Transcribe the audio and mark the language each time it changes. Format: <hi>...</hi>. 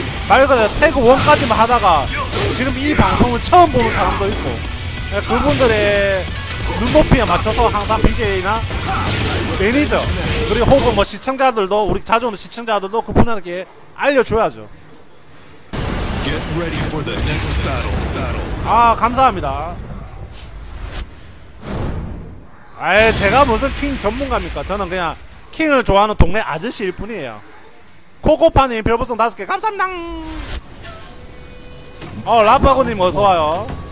<ko>말 그대로 태그 1까지만 하다가 지금 이 방송을 처음 보는 사람도 있고 그분들의 눈높이에 맞춰서 항상 BJ나 매니저 그리고 혹은 뭐 시청자들도, 우리 자주 오는 시청자들도 그분한테 알려줘야죠.</ko> <en>Get ready for the next battle.</en> <ko>아, 감사합니다. 아예 제가 무슨 킹 전문가입니까? 저는 그냥 킹을 좋아하는 동네 아저씨일 뿐이에요. 코코파님 별보성 5개 감사합니다. 라파고님 어서와요.</ko>